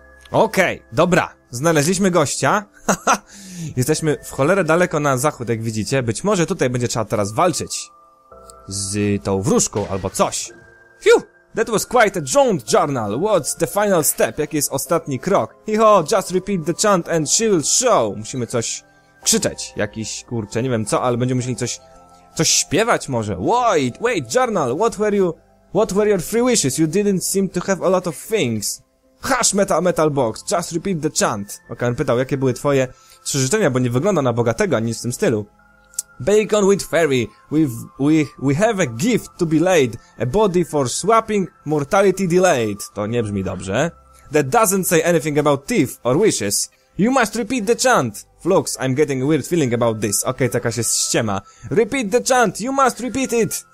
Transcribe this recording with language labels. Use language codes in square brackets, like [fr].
[pl] Okej, dobra. Znaleźliśmy gościa. Jesteśmy w cholerę daleko na zachód, jak widzicie. Być może tutaj będzie trzeba teraz walczyć z tą wróżką albo coś. Phew! [en] That was quite a jaunt journal. What's the final step? [pl] Jaki jest ostatni krok? [en] Hiho, just repeat the chant and she will show. [pl] Musimy coś krzyczeć. Jakiś, kurczę, nie wiem co, ale będziemy musieli coś śpiewać może. [en] Wait, journal. What were your three wishes? You didn't seem to have a lot of things. Hush, metal box. Just repeat the chant. [pl] Okej, on pytał, jakie były twoje trzy życzenia, bo nie wygląda na bogatego ani w tym stylu. [en] Bacon with fairy, we have a gift to be laid, a body for swapping mortality delayed. [pl] To nie brzmi dobrze. [en] That doesn't say anything about teeth or wishes. You must repeat the chant. Flux, I'm getting a weird feeling about this. [pl] Okej, taka się ściema. [en] Repeat the chant, you must repeat it.